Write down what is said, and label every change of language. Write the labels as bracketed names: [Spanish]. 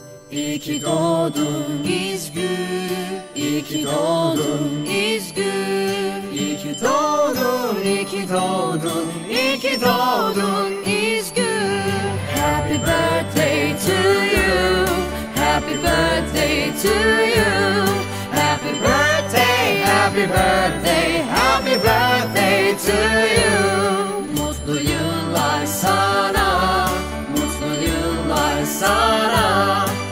[Turkish] İyi ki doğdun İzgül, İyi ki doğdun İzgül, İyi ki doğdun, İyi ki doğdun, İyi ki doğdun İzgül. [English] Happy birthday to you, happy birthday to you, happy birthday, happy birthday, happy birthday to you. [Turkish] Mutlu yıllar sana, mutlu yıllar sana.